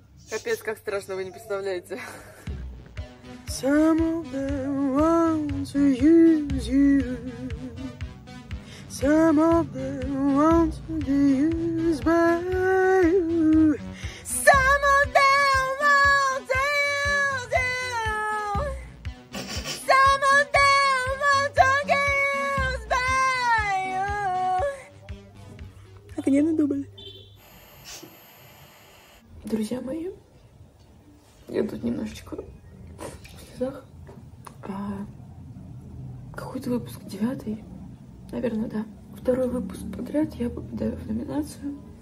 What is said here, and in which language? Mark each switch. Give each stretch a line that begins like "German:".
Russian: Капец, как страшно, вы не представляете.
English: Some of them want to use you. Some of them want to be used by you. Some of them want to use you. Some of them want to be used by you.
Russian: Это не на дубль. Друзья мои, я тут немножечко в слезах. Какой-то выпуск, 9-й, наверное, да. Второй выпуск подряд я попадаю в номинацию.